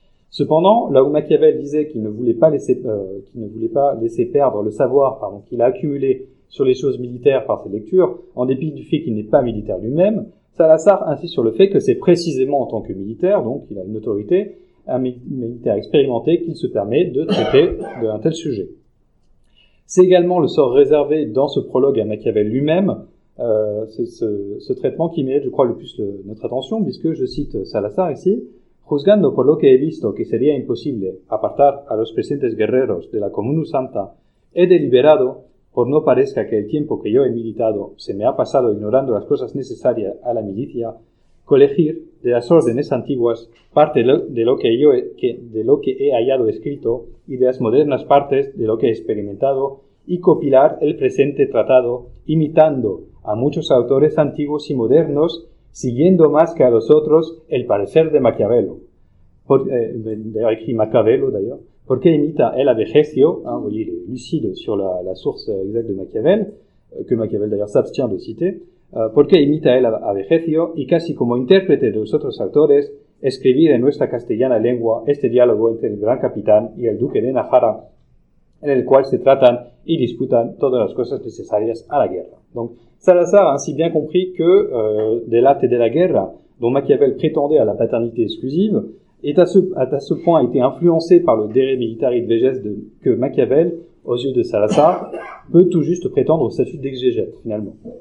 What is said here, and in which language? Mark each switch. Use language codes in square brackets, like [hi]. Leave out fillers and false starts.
[fr] Cependant, là où Machiavel disait qu'il ne voulait pas laisser perdre le savoir, pardon, qu'il a accumulé sur les choses militaires par ses lectures, en dépit du fait qu'il n'est pas militaire lui-même, Salazar insiste sur le fait que c'est précisément en tant que militaire, donc il a une autorité, un militaire expérimenté, qu'il se permet de traiter d'un tel sujet. C'est également le sort réservé dans ce prologue à Machiavel lui-même, c'est ce traitement qui mérite, je crois, le plus notre attention, puisque je cite Salazar ici: [es] Juzgando por lo que he visto que sería imposible apartar a los presentes guerreros de la Comunión Santa, he deliberado, por no parezca que el tiempo que yo he militado se me ha pasado ignorando las cosas necesarias a la milicia, colegir de las órdenes antiguas parte de lo que he hallado escrito y de las modernas partes de lo que he experimentado y copilar el presente tratado, imitando a muchos autores antiguos y modernos, siguiendo más que a los otros el parecer de Maquiavelo. [fr] D'ailleurs, écrit Machiavello, d'ailleurs. [es] Porque imita el adagio, [fr] hein, vous voyez, il est lucide sur la source exacte de Machiavel, que Machiavel d'ailleurs s'abstient de citer. [es] Porque imita el adagio y casi como intérprete de los otros autores, escribir en nuestra castellana lengua este diálogo entre el gran capitán y el duque de Najara, en el cual se tratan y disputan todas las cosas necesarias a la guerra. [fr] Donc, Salazar a ainsi bien compris que de l'arte de la guerra, dont Machiavel prétendait à la paternité exclusive, est à ce point a été influencé par le De re militari de Végès que Machiavel, aux yeux de Salazar, peut tout juste prétendre au statut d'exégète, finalement.